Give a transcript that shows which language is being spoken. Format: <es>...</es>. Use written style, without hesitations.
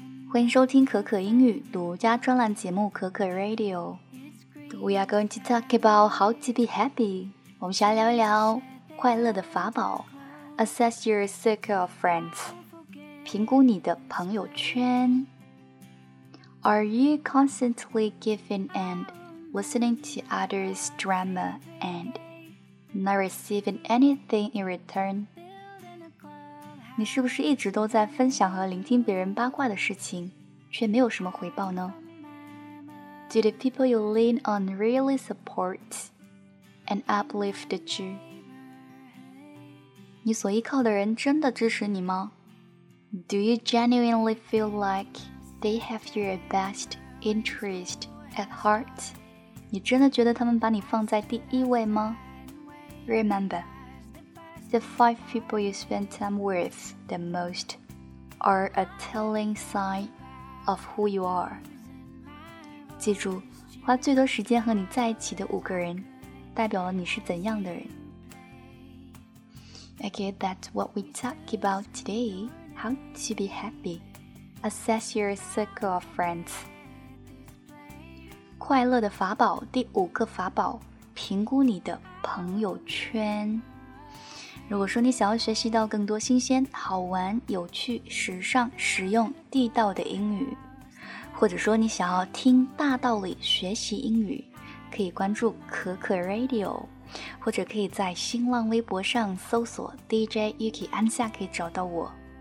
<zh>欢迎收听可可英语独家专栏节目可可 Radio。</zh> <en>We are going to talk about how to be happy.</en> <zh>我们先来聊一聊快乐的法宝。</zh> <en>Assess your circle of friends.</en> <zh>评估你的朋友圈。</zh> <en>Are you constantly giving and listening to others' drama and not receiving anything in return?</en> <zh>你是不是一直都在分享和聆听别人八卦的事情，却没有什么回报呢？</zh> <en>Do the people you lean on really support and uplift you?</en> <zh>你所依靠的人真的支持你吗？</zh> <en>Do you genuinely feel like they have your best interest at heart?</en> <zh>你真的觉得他们把你放在第一位吗？</zh> <en>Remember, the five people you spend time with the most are a telling sign of who you are.</en> <zh>记住，花最多时间和你在一起的五个人，代表了你是怎样的人。</zh> <en>Okay, that's what we talk about today. How to be happy. Assess your circle of friends.</en> <zh>快乐的法宝，第五个法宝，评估你的朋友圈。如果说你想要学习到更多新鲜、好玩、有趣、时尚、实用、地道的英语，或者说你想要听大道理学习英语，可以关注可可 Radio， 或者可以在新浪微博上搜索 DJ Yuki 安夏，可以找到我。</zh>